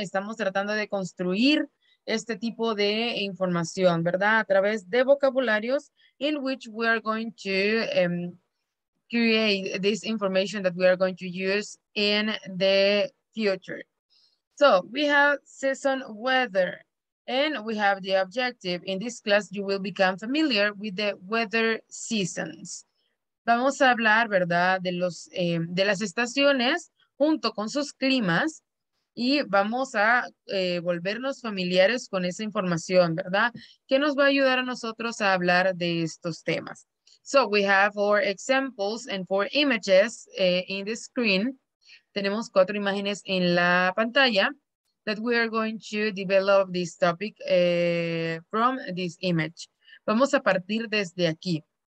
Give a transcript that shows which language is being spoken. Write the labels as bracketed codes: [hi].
[es] Estamos tratando de construir este tipo de información, ¿verdad? A través de vocabularios [en] in which we are going to create this information that we are going to use in the future. So we have season, weather, and we have the objective. In this class, you will become familiar with the weather seasons. [es] Vamos a hablar, ¿verdad?, de los de las estaciones junto con sus climas. Y vamos a volvernos familiares con esa información, ¿verdad? Que nos va a ayudar a nosotros a hablar de estos temas. [en] So we have 4 examples and 4 images in the screen. [es] Tenemos 4 imágenes en la pantalla [en] that we are going to develop this topic from this image. [es] Vamos a partir desde aquí.